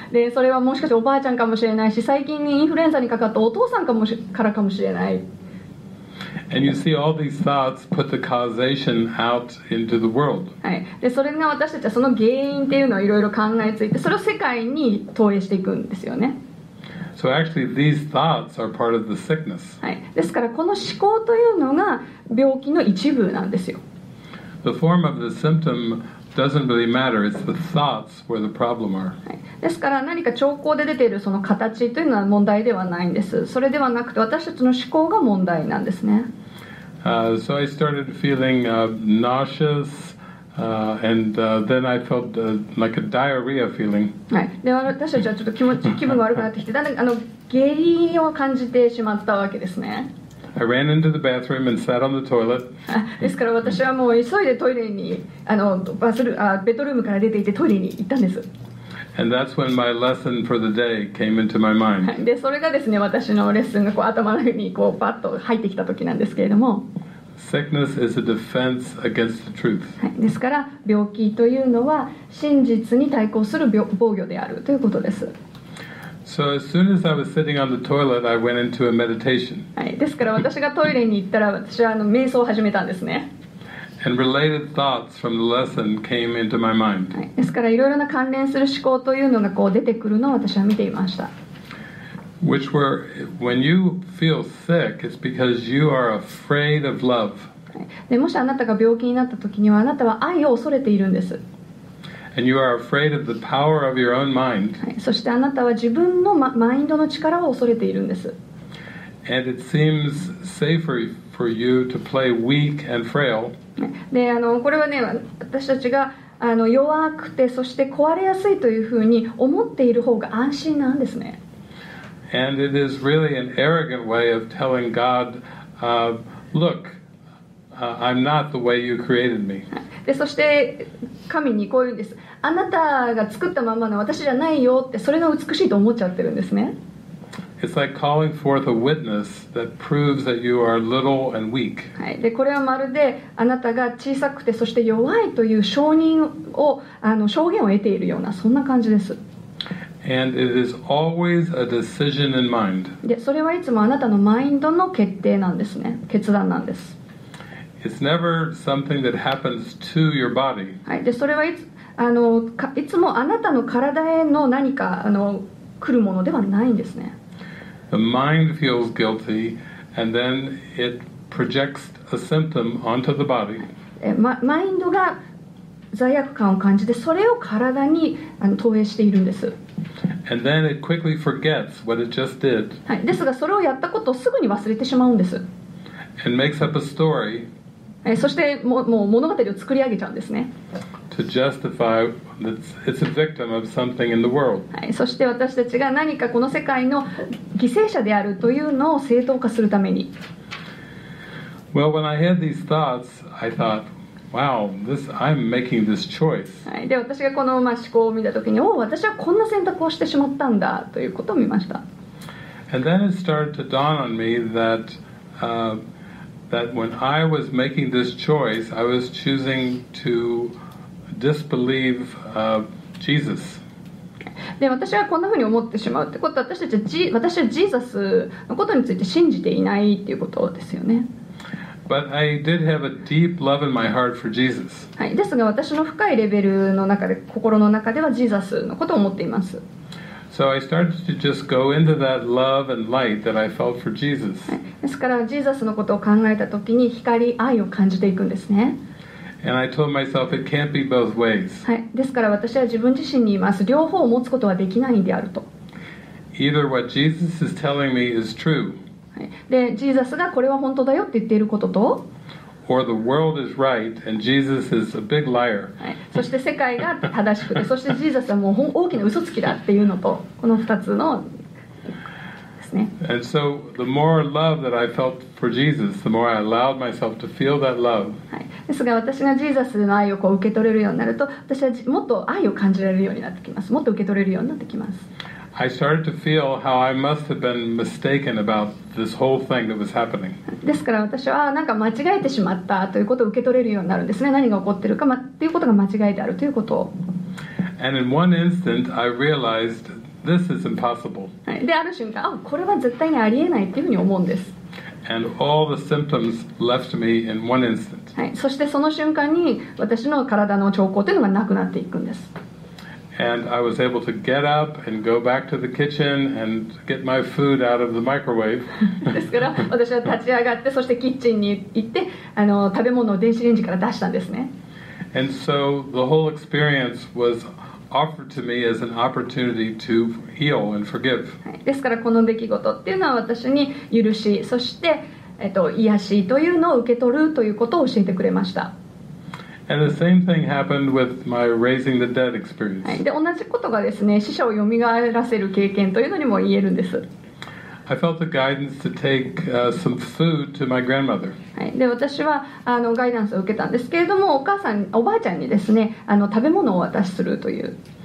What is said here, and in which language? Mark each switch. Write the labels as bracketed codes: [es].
[ja] で、それはもしかしておばあちゃんかもしれないし、最近にインフルエンザにかかったお父さんからかもしれない。 [en] And you see all these thoughts put the causation out into the world. [ja] はい。で、それが私たちはその原因っていうのをいろいろ考えついて、それを世界に投影していくんですよね。 [en] So actually, these thoughts are part of the sickness. [ja] はい。ですからこの思考というのが病気の一部なんですよ。 [en] The form of the symptom doesn't really matter. It's the thoughts where the problem are. [ja] はい。ですから何か兆候で出ているその形というのは問題ではないんです。それではなくて私たちの思考が問題なんですね。 [en] So I started feeling nauseous, and then I felt like a diarrhea feeling. [ja] はい。で、私たちはちょっと気分が悪くなってきて、だんだん下痢を感じてしまったわけですね。 [en] I ran into the bathroom and sat on the toilet. [ja] ですから私はもう急いでトイレにベッドルームから出ていてトイレに行ったんです。 [en] And that's when my lesson for the day came into my mind. [ja] でそれがですね私のレッスンがこう頭の上にこうパッと入ってきた時なんですけれども。 [en] Sickness is a defense against the truth. [ja] ですから病気というのは真実に対抗する防御であるということです。 [en] So as soon as I was sitting on the toilet, I went into a meditation. [ja] はい。ですから私がトイレに行ったら、私は瞑想を始めたんですね。 [en] And related thoughts from the lesson came into my mind. [ja] はい。ですからいろいろな関連する思考というのがこう出てくるのを私は見ていました。 [en] Which were, when you feel sick, it's because you are afraid of love. [ja] で、もしあなたが病気になった時には、あなたは愛を恐れているんです。 [en] And you are afraid of the power of your own mind. [ja] そしてあなたは自分のマインドの力を恐れているんです。 [en] And it seems safer for you to play weak and frail. [ja] で、これはね、私たちが弱くてそして壊れやすいというふうに思っている方が安心なんですね。 [en] And it is really an arrogant way of telling God, look, I'm not the way you created me. [ja] で、そして神にこう言うんです。あなたが作ったままの私じゃないよってそれが美しいと思っちゃってるんですね。 [en] It's like calling forth a witness that proves that you are little and weak. [ja] はい。で、これはまるであなたが小さくてそして弱いという証人を証言を得ているようなそんな感じです。 [en] And it is always a decision in mind. [ja] で、それはいつもあなたのマインドの決定なんですね。決断なんです。 [en] It's never something that happens to your body. [ja] はい。で、それはいつもあなたの体への何か来るものではないんですね。 [en] The mind feels guilty and then it projects a symptom onto the body. [ja] マインドが罪悪感を感じてそれを体に投影しているんです。 [en] And then it quickly forgets what it just did. [ja] はい。ですがそれをやったことをすぐに忘れてしまうんです。 [en] And makes up a story. [ja] そしてもう物語を作り上げちゃうんですね。 [en] To justify that it's a victim of something in the world. [ja] はい。そして私たちが何かこの世界の犠牲者であるというのを正当化するために。 [en] Well, when I had these thoughts, I thought, wow, I'm making this choice. [ja] はい。で、私がこの思考を見たときに、おお、私はこんな選択をしてしまったんだということを見ました。 [en] And then it started to dawn on me that, that when I was making this choice, I was choosing to disbelieve Jesus. [ja] で、私はこんなふうに思ってしまうってことは、私はジーザスのことについて信じていないっていうことですよね。 [en] But I did have a deep love in my heart for Jesus. [ja] はい。ですが、私の深いレベルの中で、心の中ではジーザスのことを思っています。 [en] So I started to just go into that love and light that I felt for Jesus. [ja] はい。ですから、ジーザスのことを考えたときに、光、愛を感じていくんですね。 [en] And I told myself it can't be both ways. [ja] はい。ですから私は自分自身に言います。両方を持つことはできないであると。 [en] Either what Jesus is telling me is true. [ja] で、ジーザスがこれは本当だよって言っていることと、 [en] Or the world is right and Jesus is a big liar. [ja] そして世界が正しくて、そしてジーザスはもう大きな嘘つきだっていうのと、この2つの [en] And so the more love that I felt for Jesus, the more I allowed myself to feel that love. [ja] ですが私がジーザスの愛をこう受け取れるようになると、私はもっと愛を感じられるようになってきます。もっと受け取れるようになってきます。 [en] I started to feel how I must have been mistaken about this whole thing that was happening. [ja] ですから私はなんか間違えてしまったということを受け取れるようになるんですね。何が起こってるか、ま、っていうことが間違いであるということを。 [en] And in one instant, I realized. This is impossible. [ja] である瞬間、あ、これは絶対にありえないっていうふうに思うんです。 [en] And all the symptoms left me in one instant. [ja] はい、そしてその瞬間に私の体の兆候というのがなくなっていくんです。 [en] And I was able to get up and go back to the kitchen and get my food out of the microwave. [ja] ですから私は立ち上がってそしてキッチンに行って食べ物を電子レンジから出したんですね。 [en] And so the whole experience was. Offered to me as an opportunity to heal and forgive. [ja] ですからこの出来事っていうのは私に許し、そして癒しというのを受け取るということを教えてくれました。 [en] And the same thing happened with my raising the dead experience. [ja] で同じことがですね、死者を蘇らせる経験というのにも言えるんです。 [en] I felt the guidance to take some food to my grandmother. [ja] で私はガイダンスを受けたんですけれども、お母さん、おばあちゃんにですね食べ物を渡しするという。